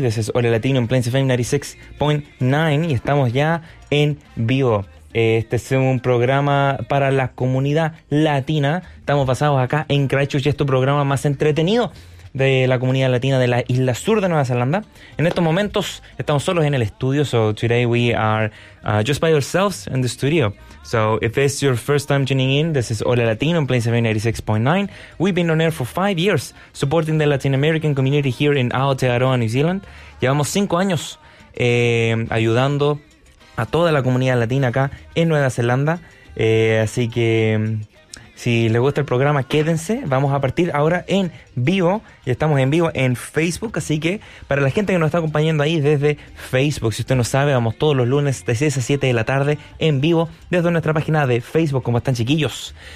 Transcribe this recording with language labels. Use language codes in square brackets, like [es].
[en] This is Hola Latino en Plains FM 96.9. [es] Y estamos ya en vivo. Este es un programa para la comunidad latina. Estamos basados acá en Christchurch y es tu programa más entretenido de la comunidad latina de la isla sur de Nueva Zelanda. En estos momentos estamos solos en el estudio. [en] So today we are just by ourselves in the studio. So if it's your first time tuning in, this is Hola Latino on Plains FM 96.9. We've been on air for 5 years, supporting the Latin American community here in Aotearoa, New Zealand. [es] Llevamos 5 años ayudando a toda la comunidad latina acá en Nueva Zelanda. Así que si les gusta el programa, quédense. Vamos a partir ahora en vivo. Ya estamos en vivo en Facebook, así que para la gente que nos está acompañando ahí desde Facebook, si usted no sabe, vamos todos los lunes de 6 a 7 de la tarde en vivo desde nuestra página de Facebook. ¿Cómo están, chiquillos?